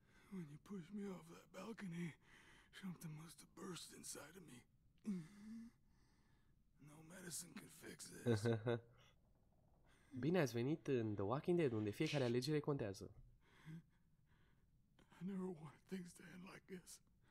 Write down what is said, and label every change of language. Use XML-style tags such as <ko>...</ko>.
<en>When you pushed me off that balcony, something must have burst inside of me. No medicine can fix this.</en> <ro>Bine ați venit în The Walking Dead, unde fiecare alegere contează.</ro> <en>I never wanted things to end like this.</en>